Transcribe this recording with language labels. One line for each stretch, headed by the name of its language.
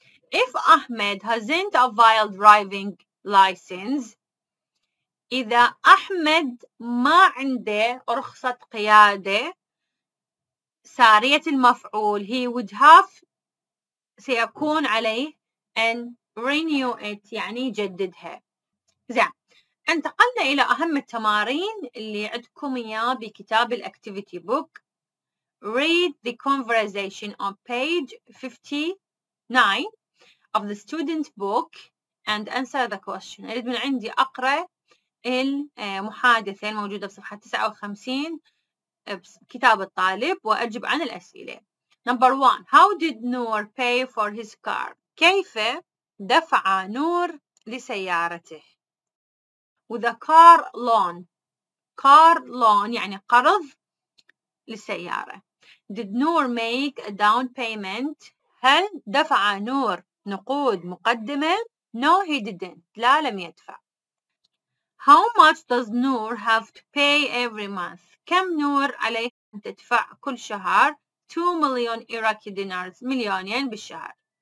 English: If Ahmed hasn't a vile driving license
Arabic: إذا أحمد ما عنده رخصة قيادة سارية المفعول
English: he would have
Arabic: سيكون عليه
English: and renew it
Arabic: يعني يجددها. زين انتقلنا إلى أهم التمارين اللي عندكم إياه بكتاب الأكتيفيتي بوك.
English: Read the conversation on page 59 of the student book and answer the question.
Arabic: أريد من عندي أقرأ المحادثة الموجودة في صفحة 59 كتاب الطالب وأجب عن الأسئلة.
English: Number one, how did Noor pay for his car?
Arabic: كيف دفع نور لسيارته؟
English: With a car loan.
Arabic: Car loan يعني قرض للسيارة.
English: Did Noor make a down payment?
Arabic: هل دفع نور نقود مقدمة؟
English: No, he didn't.
Arabic: لا, لم يدفع.
English: How much does Noor have to pay every month?
Arabic: كم نور عليه أن تدفع كل شهر؟ 2 مليون Iraqi dinars, مليونين بالشهر.